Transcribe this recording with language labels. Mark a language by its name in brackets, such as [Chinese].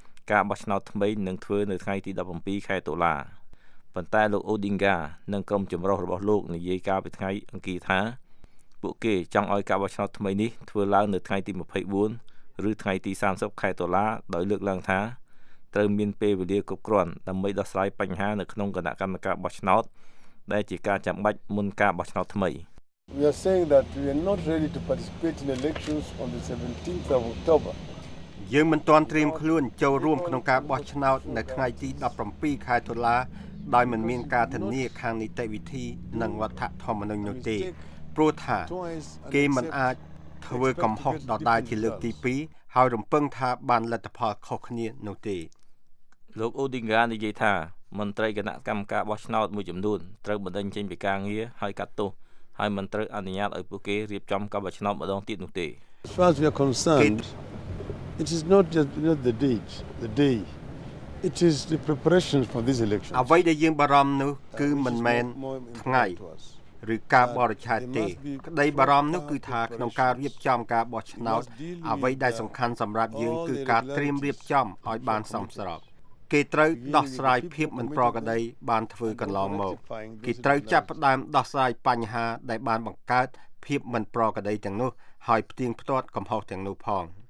[Khmer] ការបោះឆ្នោតថ្មីនឹងធ្វើនៅថ្ងៃទី17ខែតុលាប៉ុន្តែលោកអូឌីងហ្កានិងក្រុមចម្រុះរបស់លោកនិយាយកាលពីថ្ងៃអង្គារថា ពួកគេចង់ឲ្យការបោះឆ្នោតថ្មីនេះធ្វើឡើងនៅថ្ងៃទី24ឬថ្ងៃទី30ខែតុលាដោយលើកឡើងថាត្រូវមានពេលវេលាគ្រប់គ្រាន់ដើម្បីដោះស្រាយបញ្ហានៅក្នុងគណៈកម្មការបោះឆ្នោតដែលជាការចាំបាច់មុនការបោះឆ្នោតថ្មី [English] We are saying that we are not ready to participate in elections on the 17th of October. [Khmer] យើងមិនទាន់ត្រៀមខ្លួនចូលរួមក្នុងការបោះឆ្នោតនៅថ្ងៃទី17ខែតុលាដោយមិនមានការធានាខាងនីតិវិធីនិងវត្ថុធម្មនុញ្ញនោះទេព្រោះថាគេមិនអាចធ្វើកំហុសដដែលជាលើកទី2ហើយរំពឹងថាបានលទ្ធផលខុសគ្នានោះទេ លោកអូឌីងហ្កានិយាយថាមន្ត្រីគណៈកម្មការបោះឆ្នោតមួយចំនួនត្រូវបណ្ដឹងចេញពីការងារហើយកាត់ទោសហើយមិនត្រូវអនុញ្ញាតឲ្យពួកគេរៀបចំការបោះឆ្នោតម្ដងទៀតនោះទេ [English] It is not just you know, the day. It is the preparation for this election. [Khmer] អ្វីដែលយើងបារម្ភនោះគឺមិនមែនថ្ងៃឬការបរិច្ឆេទទេក្តីបារម្ភនោះគឺថាក្នុងការរៀបចំការបោះឆ្នោតអ្វីដែលសំខាន់សម្រាប់យើងគឺការត្រៀមរៀបចំឲ្យបានសមស្របគេត្រូវដោះស្រាយភាពមិនប្រក្រតីបានធ្វើកន្លងមកគេត្រូវចាប់ផ្ដើមដោះស្រាយបញ្ហាដែលបានបង្កើតភាពមិនប្រក្រតីទាំងនោះហើយផ្ទៀងផ្ទាត់កំហុសទាំងនោះផង